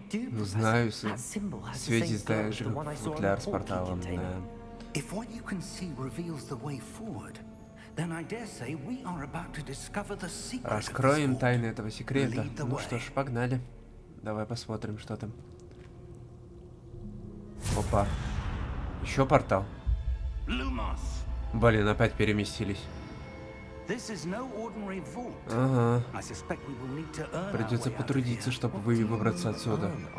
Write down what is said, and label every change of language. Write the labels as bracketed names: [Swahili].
[Russian] Ну, знаю, светит так же, как футляр с порталом, да. [English] If what you can see reveals the way forward, then I dare say we are about to discover the secret. [Russian] Раскроем тайны этого секрета. Ну что ж, погнали. Давай посмотрим, что там. Опа. Еще портал. Lumos. Блин, опять переместились. [English] This is no ordinary vault. [Russian] Ага. [English] I suspect we will need to earn. [Russian] Придется потрудиться, чтобы выбраться отсюда.